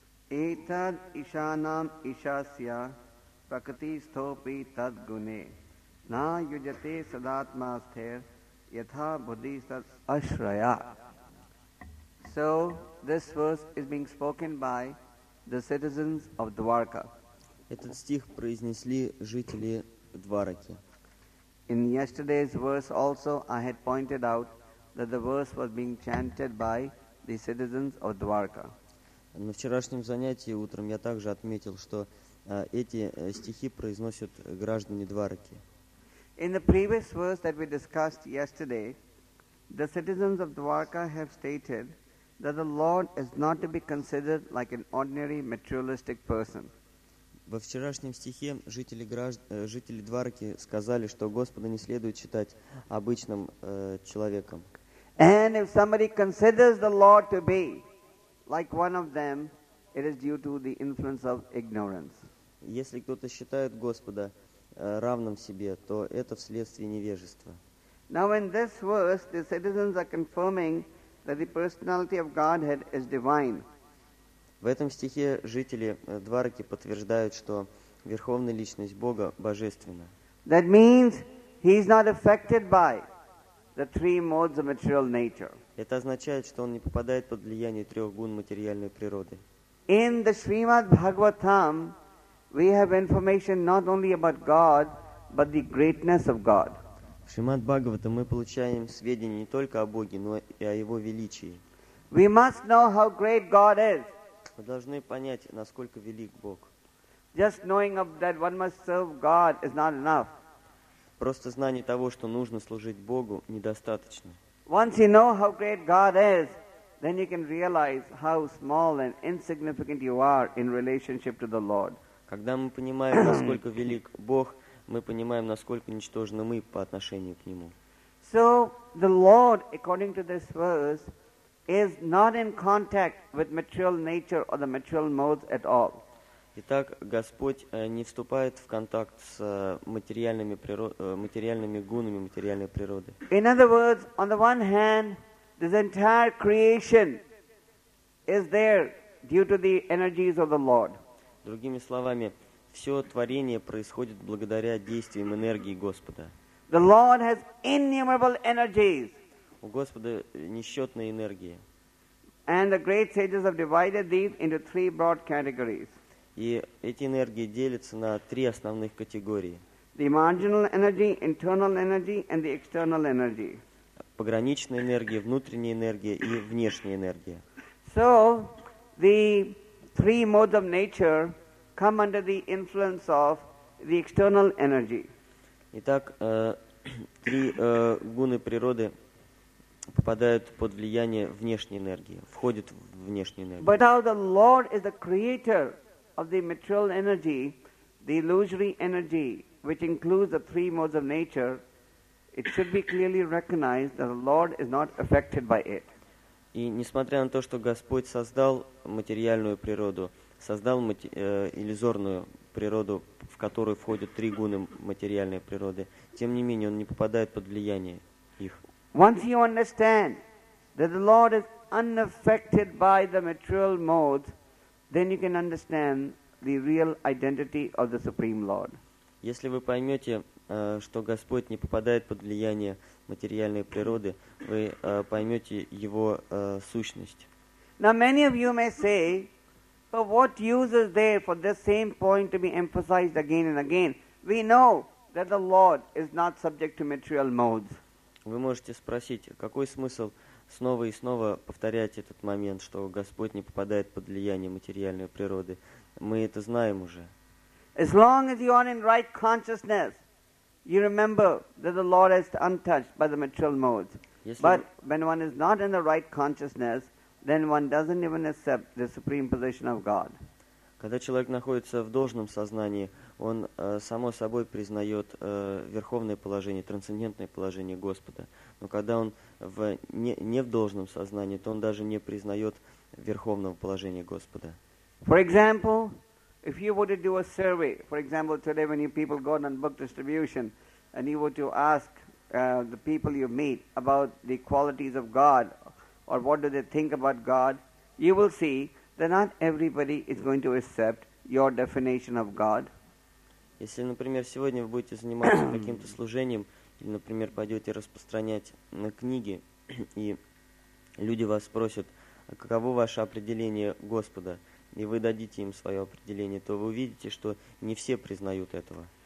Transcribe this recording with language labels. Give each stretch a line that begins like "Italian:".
Sanskrit: Итад Ишанам Ишасья Пракати Стопи Тад Гуне. На Юджате Садатма Астхер. Yatha Bodhisat Ashraya.
English: So this verse is being spoken by the citizens of Dwarka.
Russian: Этот стих произнесли жители Двараки.
English: In yesterday's verse also I had pointed out that the verse was being chanted by the citizens of Dwarka.
Russian: На вчерашнем занятии утром я также отметил, что эти стихи произносят граждане Двараки.
English: In the previous verse that we discussed yesterday, the citizens of Dwarka have stated that the Lord is not to be considered like an ordinary materialistic person.
Russian: Во вчерашнем стихе жители Двараки сказали, что Господа не следует считать обычным человеком.
English: And if somebody considers the Lord to be like one of them, it is due to the influence of ignorance.
Russian: Если кто-то считает Господа равным себе, то это вследствие невежества.
English: Now in this verse the citizens are confirming that the personality of Godhead is divine.
Russian: В этом стихе жители Двараки подтверждают, что верховная личность Бога божественна.
English: That means he is not affected by the three modes of material nature.
Russian: Это означает, что он не попадает под влияние трех гун материальной природы.
English: In the Srimad Bhagavatam we have information not only about God, but the greatness of God.
Russian: В Шримад-Бхагавате мы получаем сведения не только о Боге, но и о Его величии.
English: We must know how great God is.
Russian: Мы должны понять, насколько велик Бог.
English: Just knowing of that one must serve God is not enough.
Russian: Просто знание того, что нужно служить Богу, недостаточно.
English: Once you know how great God is, then you can realize how small and insignificant you are in relationship to the Lord.
Russian: Когда мы понимаем, насколько велик Бог, мы понимаем, насколько ничтожны мы по отношению к Нему.
English: So the Lord, according to this verse, is not in contact with material nature or the material modes at all.
Russian: Итак, Господь не вступает в контакт с материальными гунами материальной природы.
English: In other words, on the one hand, this entire creation is there due to the energies of the Lord.
Russian: Другими словами, все творение происходит благодаря действиям энергии Господа.
English: The Lord has innumerable energies.
Russian: У Господа несчетные энергии.
English: And the great sages have divided these into three broad categories.
Russian: И эти энергии делятся на три основных категории.
English: The marginal energy, internal energy, and the external energy.
Russian: Пограничная энергия, внутренняя энергия и внешняя энергия.
English: So, the three modes of nature come under the influence of the external energy.
Russian: Итак, три гуны природы попадают под влияние внешней энергии, входят в внешнюю энергию.
English: But how the Lord is the creator of the material energy, the illusory energy, which includes the three modes of nature, it should be clearly recognized that the Lord is not affected by it.
Russian: И несмотря на то, что Господь создал материальную природу, создал иллюзорную природу, в которую входят три гуны материальной природы, тем не менее он не попадает под влияние их.
English: Once you understand that the Lord is unaffected by the material modes, then you can understand the real identity of the Supreme Lord.
Russian: Если вы поймете, что Господь не попадает под влияние материальной природы, вы поймете Его сущность.
English: Now many of you may say, but what use is there for this same point to be emphasized again and again? We know that the Lord is not subject to material modes.
Russian: Вы можете спросить, какой смысл снова и снова повторять этот момент, что Господь не попадает под влияние материальной природы. Мы это знаем уже.
English: As long as you are in right consciousness, you remember that the Lord is untouched by the material modes. But when one is not in the right consciousness, then one doesn't even accept the supreme position of God.
Russian: Когда человек находится в должном сознании, он само собой признает верховное положение, трансцендентное положение Господа. Но когда он не в должном сознании, то он даже не признает верховного положения Господа.
English: For example, if you were to do a survey, for example, today when you people go on book distribution, and you were to ask the people you meet about the qualities of God, or what do they think about God, you will see that not everybody is going to accept your definition of God.
Russian: Если, например, сегодня вы будете заниматься каким-то служением, или, например, пойдете распространять на книги, и люди вас спросят, каково ваше определение Господа, и вы дадите им свое определение, то вы увидите, что не все признают этого.